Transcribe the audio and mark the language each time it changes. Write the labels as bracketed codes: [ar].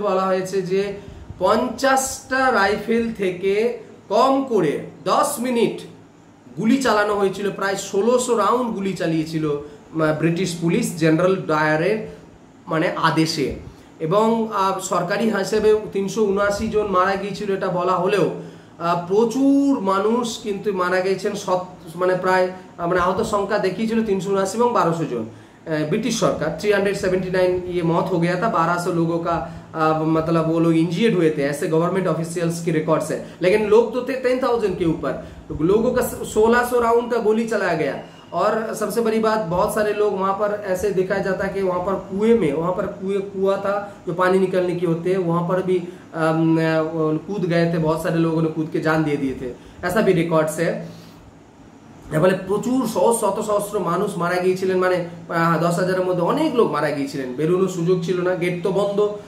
[bn] বলা হয়েছে যে 50টা রাইফেল থেকে কম করে 10 মিনিট গুলি চালানো হয়েছিল, প্রায় 1600 রাউন্ড গুলি চালিয়েছিল ব্রিটিশ পুলিশ জেনারেল ডায়ারের মানে আদেশে এবং সরকারি হিসেবে 379 জন মারা গিয়েছিল এটা বলা হলেও প্রচুর মানুষ কিন্তু মারা গেছেন, মানে প্রায় মানে আহত সংখ্যা দেখিয়েছিল 379 এবং 1200 জন, [hi] ब्रिटिश सरकार 379 ये मौत हो गया था, 1200 लोगों का मतलब वो लोग इंजियर्ड हुए थे, ऐसे गवर्नमेंट ऑफिशियल्स की रिकॉर्ड्स है। लेकिन लोग तो थे 10,000 के ऊपर, लोगों का 1600 राउंड का गोली चलाया गया। और सबसे बड़ी बात, बहुत सारे लोग वहां पर ऐसे देखा जाता है कि वहां पर कुएं में, वहां पर कुएं कुआ था जो पानी निकलने की होते हैं, वहां पर भी कूद गए थे, बहुत सारे लोगों ने कूद के जान दे दिए थे, ऐसा भी रिकॉर्ड्स है। [bn] বলে প্রচুর সহস্র মানুষ মারা গিয়েছিলেন, মানে 10,000-এর মধ্যে অনেক লোক মারা গিয়েছিলেন, বেরোনোর সুযোগ ছিল না, গেট তো বন্ধ।